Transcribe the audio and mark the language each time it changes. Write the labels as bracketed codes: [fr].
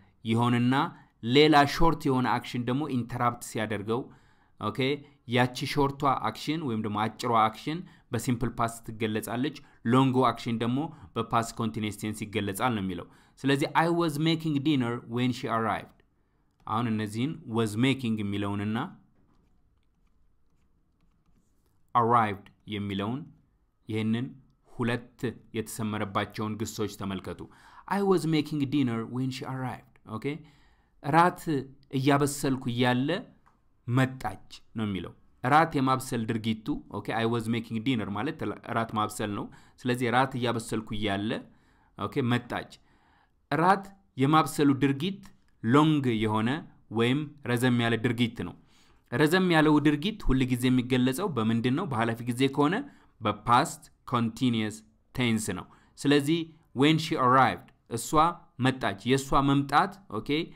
[am] ይሆንና ሌላ ሾርት የሆነ አክሽን ደግሞ ኢንተራፕት ሲያደርገው ኦኬ ያቺ ሾርቷ አክሽን ወይም ደግሞ አጭሯ አክሽን በሲምፕል ፓስት ትገለጻለች ሎንጎ አክሽን ደግሞ በፓስት ኮንቲኒዩስ ቴንስ ይገለጻል ነው የሚለው ስለዚህ [en] አይ ዋዝ ሜኪንግ ዲነር ዌን ሺ አራይቭድ [am] አሁን እነዚህን was making የሚለውንና arrived የሚለውን ይህንን ሁለት የተሰመረባቸውን ግሶች ተመልከቱ. [en] I was making dinner when she arrived. Okay? [am] ራት እያበሰልኩ እያለ መጣች ነው የሚለው. ራት የማብሰል ድርጊቱ. Okay? [en] I was making dinner [am] ማለት ራት ማብሰል ነው. ስለዚህ ራት እያበሰልኩ እያለ okay? መጣች. ራት የማብሰሉ ድርጊት long የሆነ ወይም ረዘም ያለ ድርጊት ነው ረዘም ያለው ድርጊት ሁሉ ጊዜ የሚገለጸው በምንድን ነው በኋላፊ ጊዜ ከሆነ በpast continuous tense ነው ስለዚህ [en] when she arrived [am] እሷ መጣች የሷ መምጣት ኦኬ